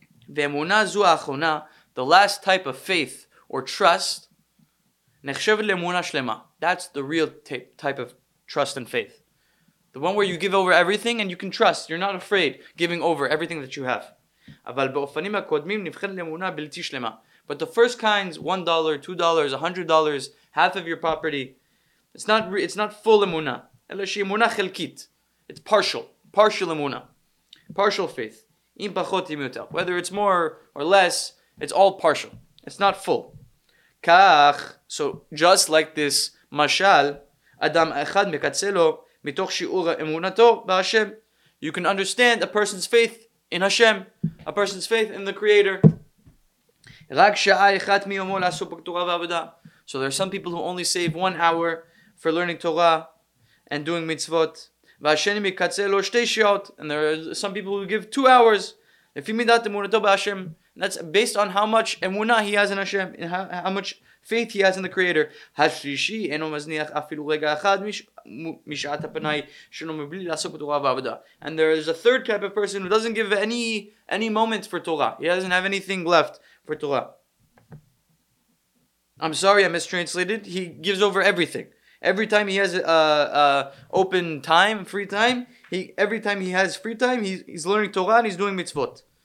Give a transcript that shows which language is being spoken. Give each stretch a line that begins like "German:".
Hebrew: V'emunah zu achona,
English: the last type of faith or trust,
Hebrew: nechshevet le'emunah shlema.
English: That's the real type of trust and faith. The one where you give over everything and you can trust. You're not afraid giving over everything that you have.
Hebrew: אבל באופנים הקודמים נבחן לאמונה בלתי שלמה.
English: But the first kinds, $1, $2, $100, half of your property, it's not full emuna.
Hebrew: אלא שאמונה חלקית.
English: It's partial. Partial emuna. Partial faith.
Hebrew: אם פחות אם יותר.
English: Whether it's more or less, it's all partial. It's not full.
Hebrew: כך,
English: so just like this
Hebrew: משל, אדם אחד מקצה לו מתוך שיעור אמונתו בהשם.
English: You can understand a person's faith in Hashem, a person's faith in the Creator.
Hebrew: רק שעה אחת מיומו לעסוק בתורה ועבודה.
English: So there are some people who only save 1 hour for learning Torah and doing mitzvot.
Hebrew: והשני מקצה לו שתי שעות.
English: And there are some people who give 2 hours.
Hebrew: לפי מידת אמונתו בהשם.
English: That's based on how much emuna he has in Hashem, how much faith he has in the Creator.
Hebrew: השלישי אינו מזניח אפילו רגע אחד משעת הפנאי שלו מבלי לעסוק בתורה ועבודה.
English: And there is a third type of person who doesn't give any moment for Torah. He doesn't have anything left for Torah. I'm sorry, I mistranslated. He gives over everything. Every time he has open time, free time, he's learning Torah and he's doing mitzvot.